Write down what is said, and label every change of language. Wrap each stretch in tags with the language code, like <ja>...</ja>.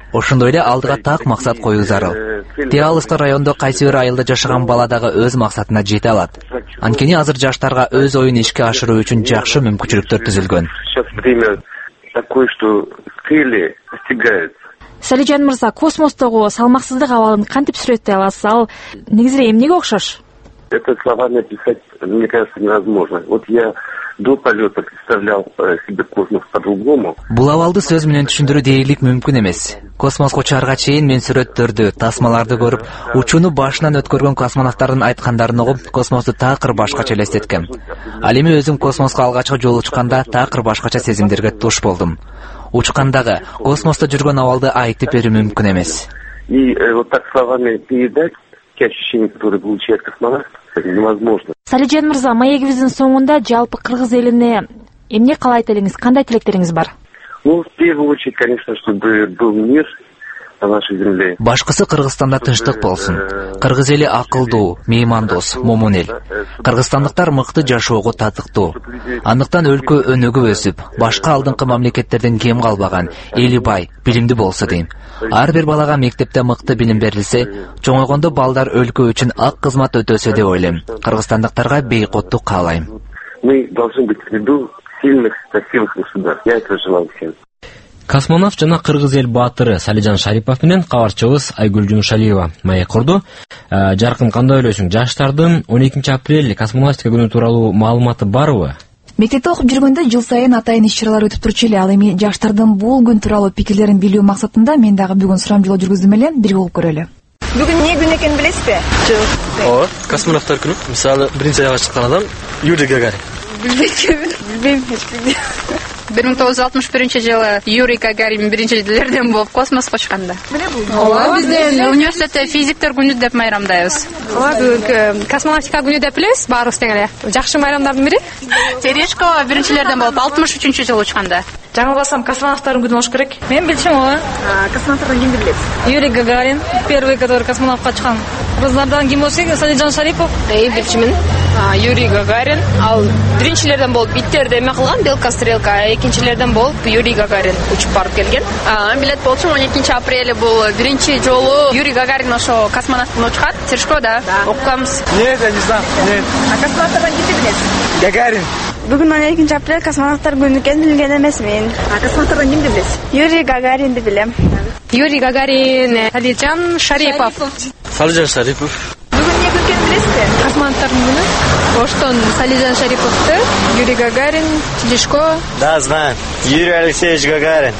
<ky>Ошондой эле алдыга так максат коюу зарыл. Диалыска райондо кайсы бир айылда жашаган бала дагы өз максатына жете алат. Анткени азыр жаштарга өз оюн ишке ашыруу үчүн жакшы мүмкүнчүлүктөр түзүлгөн. Салижан мырза, космостогу салмаксыздык абалын кантип сүрөттөй аласыз? Ал негизи эмнеге окшош?</ky> <ru>Это словами описать, мне кажется, невозможно. Вот я до полета представлял себе космос по-другому.</ru> <ky>Бул абалды сөз менен түшүндүрүү дээрлик мүмкүн эмес. Космоско чыгарга чейин мен сүрөттөрдү, тасмаларды көрүп, учууну башынан өткөргөн космонавттардын айткандарын угуп, космосту такыр башкача элестеткем. Ал эми өзүм космоско алгачкы жолу учканда такыр башкача сезимдерге туш болдум. Учкандагы, космосто жүргөн абалды айтып берүү мүмкүн эмес.</ky> <ru>И вот так словами передать те ощущения, которые получает космонавт, невозможно.</ru> <ky>Салижан мырза, маегибиздин соңунда жалпы кыргыз элине эмне каалайт элеңиз, кандай тилектериңиз бар?</ky> <ru>Ну, в первую очередь, конечно, чтобы был мир на нашей земле.</ru> <ky>Башкысы Кыргызстанда тынчтык болсун. Кыргыз эли акылдуу, меймандос, момун эл. Кыргызстандыктар мыкты жашоого татыктуу. Андыктан өлкө өнөгүп өсүп, башка алдыңкы мамлекеттерден кем калбаган, эли бай, билимдүү болсо дейм. Ар бир балага мектепте мыкты билим берилсе, чоңойгондо балдар өлкө үчүн ак кызмат өтөсө деп ойлойм. Кыргызстандыктарга бейкоттук каалайм.</ky> <ru>Мы должны быть в виду сильных, красивых государств. Я это желаю всем.</ru> <ky>Космонавт жана кыргыз эл баатыры Салижан Шарипов менен кабарчыбыз Айгүл Жумушалиева маек курду. Жаркын, кандай ойлойсуң, жаштардын 12-апрель космонавтика күнү тууралуу маалыматы барбы? Мектепте окуп жүргөндө жыл сайын атайын иш-чаралар өтүп турчу эле, ал эми жаштардын бул күн тууралуу пикирлерин билүү максатында мен дагы бүгүн сурам жолу жүргүздүм эле, бирге угуп көрөлү. Бүгүн эмне күн экенин билесизби? Жок. Ооба, космонавттар күнү. Мисалы, биринчи аяга чыккан адам Юрий Гагарин. Билбейм эч кимди. 1961 жылы Юрий Гагарин биринчи элдерден болуп космоско чыкканда. Мине бул. Ооба, бизде университетте физиктер күнү деп майрамдайбыз. Ооба, бүгүнкү космонавтика күнү деп билебиз баарыбыз тең эле. Жакшы майрамдардын бири. Терешкова биринчи элдерден болуп 63 жылы учканда. Жаңылбасам космонавттардын күнү болуш керек. Мен билчим ооба. Космонавттардан кимди билет?</ky> <ru>Юрий Гагарин, первый, который</ru> <ky>космонавтка чыккан. Кыргыздардан ким болсо экен? Салижан Шарипов. Эй, билчимин. Юрий Гагарин. Ал биринчилерден болуп иттерди эме кылган, белка, стрелка. Экинчилерден болуп Юрий Гагарин учуп барып келген. Билет болчу, 12 апреля бул биринчи жолу Юрий Гагарин ошо космонавттын учкан. Терешкова, да? Окуганбыз.</ky> <ru>Нет, я не знаю. Нет.</ru> <ky>А космонавттардан кимди билесиз? Гагарин. Бүгүн 12 апрель космонавттар күнү экенин билген эмесмин. Космонавттардан кимди билесиз? Юрий Гагаринди билем. Юрий Гагарин, Салижан Шарипов. Салижан Шарипов. Бүгүн эмне күн экенин билесизби? Космонавттардын күнү. Оштон Салижан Шариповду, Юрий Гагарин, Телешкова.</ky> <ru>Да, знаю. Юрий Алексеевич Гагарин.</ru>